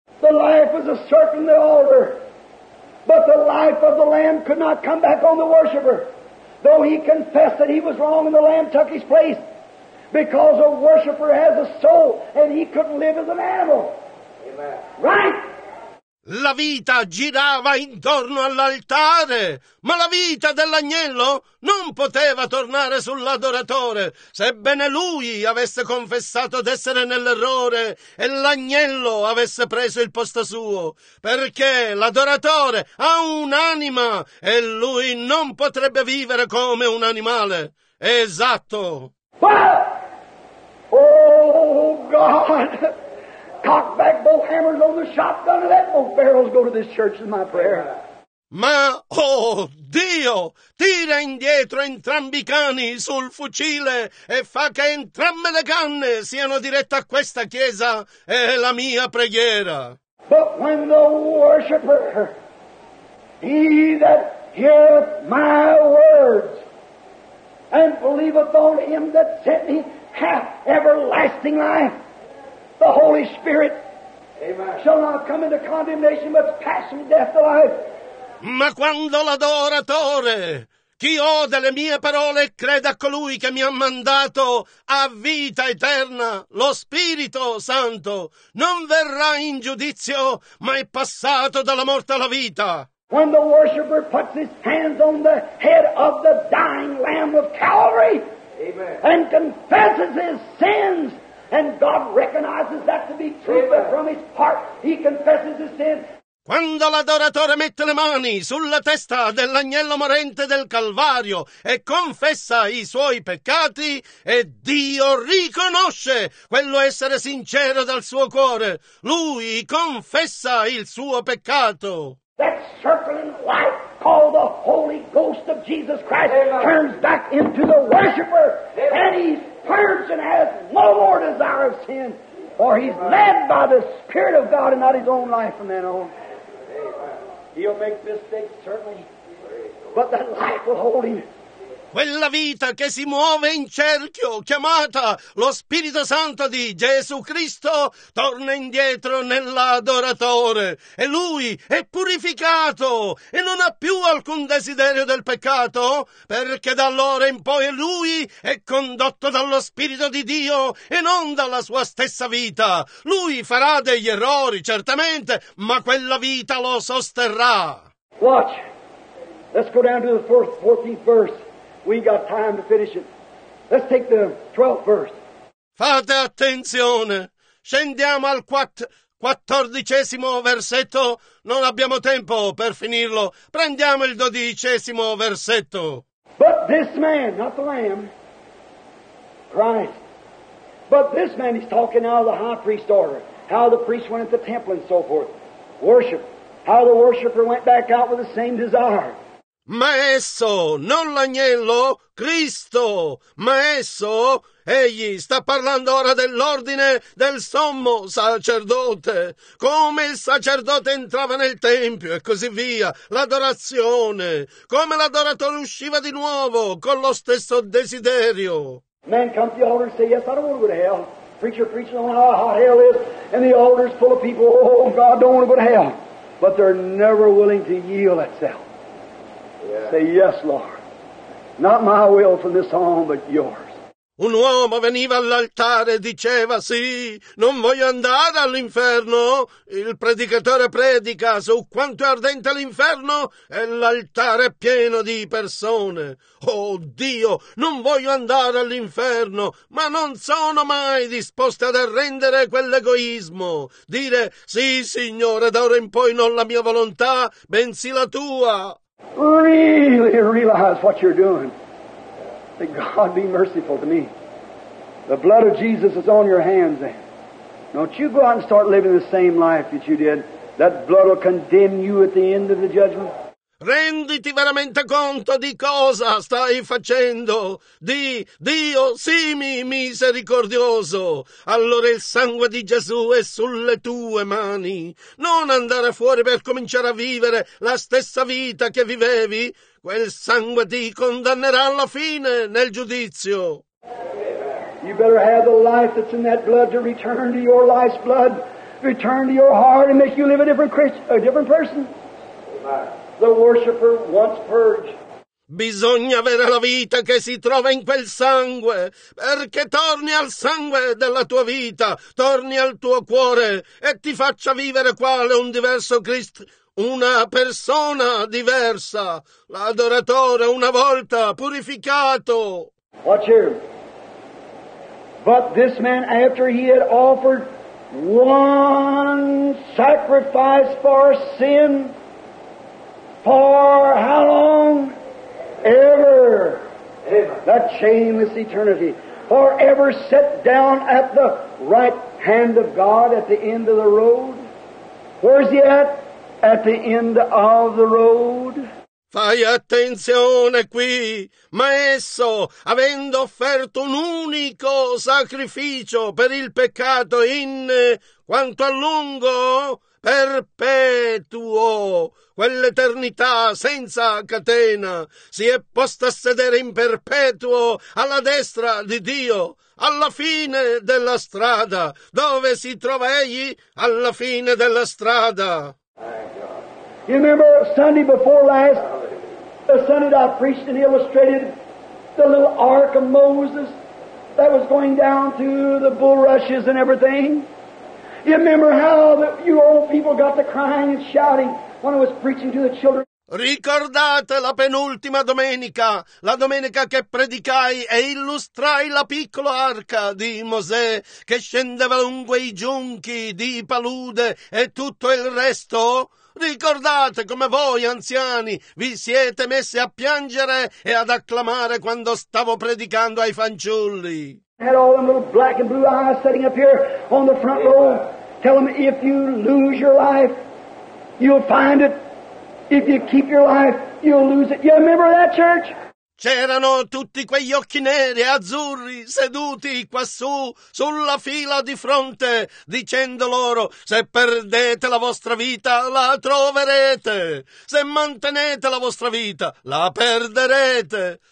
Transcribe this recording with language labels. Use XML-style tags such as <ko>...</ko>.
<en>The life was a serpent in the altar. But the life of the Lamb could not come back on the worshiper, though he confessed that he was wrong and the Lamb took his place, because a worshiper has a soul and he couldn't live as an animal. Amen. Right?</en> <it>La vita girava intorno all'altare, ma la vita dell'agnello non poteva tornare sull'adoratore, sebbene lui avesse confessato d'essere nell'errore e l'agnello avesse preso il posto suo, perché l'adoratore ha un'anima e lui non potrebbe vivere come un animale. Esatto.</it> <en>Oh, God! Cock back both hammers on the shotgun and let both barrels go to this church in my prayer.</en> <it>Ma, oh Dio, tira indietro entrambi i cani sul fucile e fa che entrambe le canne siano dirette a questa chiesa è la mia preghiera.</it> <en>But when the worshiper, he that heareth my words and believeth on him that sent me hath everlasting life, the Holy Spirit, amen, shall not come into condemnation, but pass from death to life.</en> <it>Ma quando l'adoratore, chi ode le mie parole e crede a colui che mi ha mandato, ha vita eterna, lo Spirito Santo, non verrà in giudizio, ma è passato dalla morte alla vita.</it> <en>When the worshiper puts his hands on the head of the dying Lamb of Calvary, amen, and confesses his sins, and God recognizes that to be true, but from his heart he confesses his sin.</en> <it>Quando l'adoratore mette le mani sulla testa dell'agnello morente del Calvario e confessa i suoi peccati, e Dio riconosce quello essere sincero dal suo cuore, lui confessa il suo peccato.</it> <en>That circling light called the Holy Ghost of Jesus Christ, amen, turns back into the worshiper, amen, and he's purged and has no more desire of sin, for he's led by the Spirit of God and not his own life from then on. He'll make mistakes, certainly, but that life will hold him.</en> <it>Quella vita che si muove in cerchio, chiamata lo Spirito Santo di Gesù Cristo, torna indietro nell'adoratore e lui è purificato e non ha più alcun desiderio del peccato, perché da allora in poi lui è condotto dallo Spirito di Dio e non dalla sua stessa vita. Lui farà degli errori, certamente, ma quella vita lo sosterrà.</it> <en>Watch. Let's go down to the 14th verse. We got time to finish it. Let's take the 12th verse.</en> <it>Fate attenzione. Scendiamo al 14° versetto. Non abbiamo tempo per finirlo. Prendiamo il 12° versetto.</it> <en>But this man, not the lamb, Christ. But this man is talking now of the high priest order. How the priest went into the temple and so forth. Worship. How the worshiper went back out with the same desire.</en> <it>Ma esso, non l'agnello, Cristo, ma esso, egli sta parlando ora dell'ordine del sommo sacerdote, come il sacerdote entrava nel tempio e così via, l'adorazione, come l'adoratore usciva di nuovo con lo stesso desiderio.</it> <en>Man comes to the altar and say, yes, I don't want to go to hell. Preacher preaching on how hot hell is, and the altar is full of people, oh God, don't want to go to hell. But they're never willing to yield itself. Yeah. Say, yes, Lord. Not my will from this on, but yours.</en> <it>Un uomo veniva all'altare e diceva, sì, non voglio andare all'inferno. Il predicatore predica su quanto è ardente l'inferno e l'altare è pieno di persone. Oh Dio, non voglio andare all'inferno, ma non sono mai disposto ad arrendere quell'egoismo. Dire, sì, Signore, da ora in poi non la mia volontà, bensì la Tua.</it> <en>Really realize what you're doing. Say, God, be merciful to me. The blood of Jesus is on your hands then. Don't you go out and start living the same life that you did. That blood will condemn you at the end of the judgment.</en> <it>Renditi veramente conto di cosa stai facendo. Di Dio, simi misericordioso. Allora il sangue di Gesù è sulle tue mani. Non andare fuori per cominciare a vivere la stessa vita che vivevi. Quel sangue ti condannerà alla fine nel giudizio.</it> <en>You better have the life that's in that blood to return to your life's blood. Return to your heart and make you live a different person. The worshipper once purged.</en> <it>Bisogna avere la vita che si trova in quel sangue, perché torni al sangue della tua vita, torni al tuo cuore e ti faccia vivere quale un diverso Cristo, una persona diversa, l'adoratore una volta purificato.</it> <en>Watch here. But this man, after he had offered one sacrifice for sin, for how long? Ever. Ever. That shameless eternity. Forever set down at the right hand of God at the end of the road. Where's he at? At the end of the road.</en> <it>Fai attenzione qui, ma esso, avendo offerto un unico sacrificio per il peccato in quanto a lungo? Perpetuo, quell'eternità senza catena, si è posto a sedere in perpetuo alla destra di Dio, alla fine della strada. Dove si trova egli? Alla fine della strada.</it> <en>You remember Sunday before last? The Sunday that I preached and illustrated the little ark of Moses that was going down to the bulrushes and everything? You remember how you old people got to crying and shouting when I was preaching to the children?</en> <it>Ricordate la penultima domenica, la domenica che predicai e illustrai la piccola arca di Mosè che scendeva lungo i giunchi di palude e tutto il resto? Ricordate come voi, anziani, vi siete messi a piangere e ad acclamare quando stavo predicando ai fanciulli.</it> <en>Had all them little black and blue eyes sitting up here on the front row. Tell them if you lose your life, you'll find it. If you keep your life, you'll lose it. You remember that, church?</en> <it>C'erano tutti quegli occhi neri e azzurri seduti quassù sulla fila di fronte dicendo loro, se perdete la vostra vita la troverete, se mantenete la vostra vita la perderete.</it>